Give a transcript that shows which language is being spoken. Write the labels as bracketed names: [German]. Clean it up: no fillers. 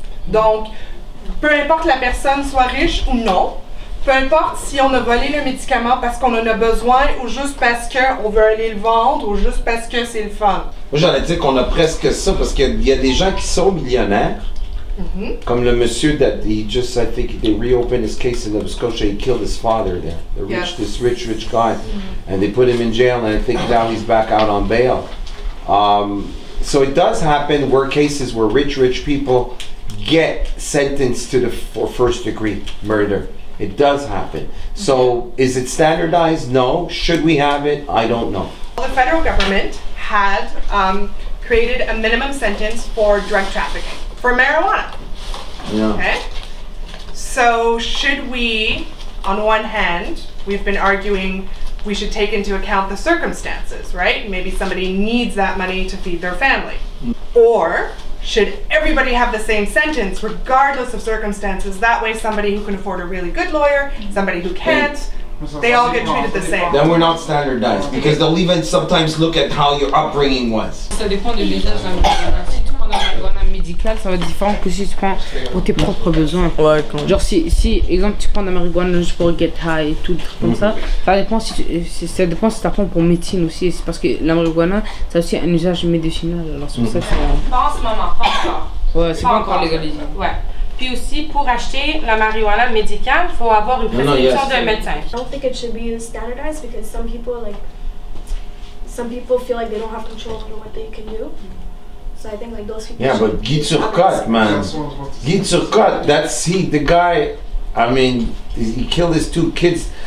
[French] Donc, peu importe la personne soit riche ou non, peu importe si on a volé le médicament parce qu'on en a besoin ou juste parce qu'on veut aller le vendre ou juste parce que c'est le fun. Moi, j'allais dire qu'on a presque ça parce qu'il y a des gens qui sont millionnaires. Mm-hmm. Comme le monsieur, [English] they reopened his case in Nova Scotia, he killed his father there. The rich, yes. This rich, rich guy. Mm-hmm. And they put him in jail and I think now he's back out on bail. So it does happen where cases where rich, rich people get sentenced to for first degree murder. It does happen. So is it standardized? No. Should we have it? I don't know. Well, the federal government had created a minimum sentence for drug trafficking, for marijuana. Yeah. Okay? So should we, on one hand, we've been arguing we should take into account the circumstances, right? Maybe somebody needs that money to feed their family. Or should everybody have the same sentence, regardless of circumstances? That way somebody who can afford a really good lawyer, somebody who can't, they all get treated the same. Then we're not standardized, because they'll even sometimes look at how your upbringing was. [French] Ça dépend de l'usage d'un marijuana. Si tu prends un marijuana médical, ça va être différent que si tu prends pour tes propres besoins. Ouais, quand genre si exemple, tu prends un marijuana juste pour [English] get high [French] et tout, des trucs comme ça. Ça dépend si tu apprends pour médecine aussi. C'est parce que la marijuana, ça a aussi un usage médicinal. Alors, c'est pour ça que pense, maman, pense-toi. Ouais, c'est pas encore légalisé. Ouais. Puis aussi, pour acheter la marijuana médicale, faut avoir une prescription d'un médecin. [English] I don't think it should be standardized because some people, like, some people feel like they don't have control over what they can do. So I think like those people. Yeah, but Guy Turcotte, man. Guy Turcotte, that's he, the guy, I mean, he killed his two kids.